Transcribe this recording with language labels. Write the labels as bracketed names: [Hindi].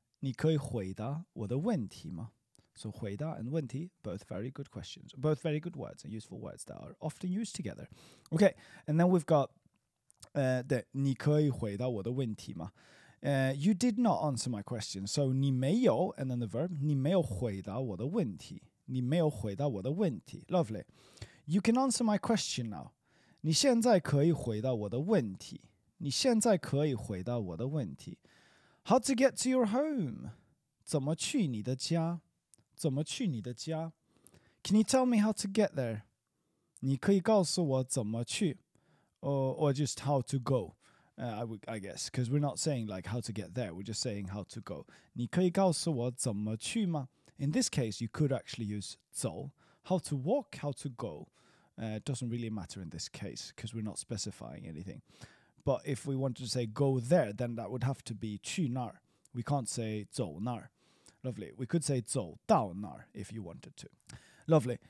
[Chinese] 你可以回答我的问题吗？ [English] So 回答 and 问题, both very good questions, both very good words and useful words that are often used together. Okay, and then we've got, [Chinese] 你可以回答我的问题吗? [English] You did not answer my question. So [Chinese] 你没有, [English] and then the verb, [Chinese] 你没有回答我的问题。你没有回答我的问题。 [English] Lovely. You can answer my question now. [Chinese] 你现在可以回答我的问题。你现在可以回答我的问题。 [English] How to get to your home? [Chinese] 怎么去你的家? 怎么去你的家? [English] Can you tell me how to get there? [Chinese] 你可以告诉我怎么去? [English] Or just how to go, I guess. Because we're not saying like how to get there, we're just saying how to go. [Chinese] 你可以告诉我怎么去吗? [English] In this case, you could actually use 走. How to walk, how to go. It doesn't really matter in this case, because we're not specifying anything. But if we wanted to say go there, then that would have to be [Chinese] 去那儿. [English] We can't say [Chinese] 走那儿. [English] Lovely. We could say [Chinese] 走到那儿 [English] if you wanted to. Lovely.